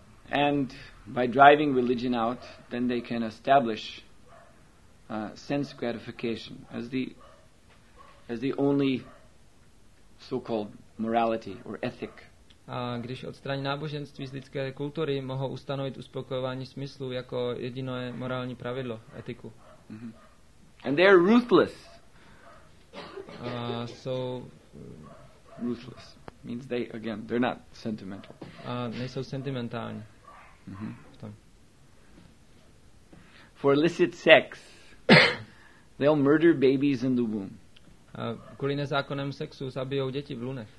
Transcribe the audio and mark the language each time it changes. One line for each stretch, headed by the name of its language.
English: And by driving religion out, then they can establish sense gratification as the only so-called morality or ethic.
Czech: A když odstraní náboženství z lidské kultury, mohou ustanovit uspokojování smyslu jako jediné morální pravidlo, etiku.
English: Mm-hmm. And they are ruthless.
Czech: Jsou
English: ruthless means they again they're not sentimental.
Czech: Nejsou sentimentální.
English: For illicit sex, they'll murder babies in the womb.
Czech: Kvůli nezákonnému sexu zabijou děti v lůnech.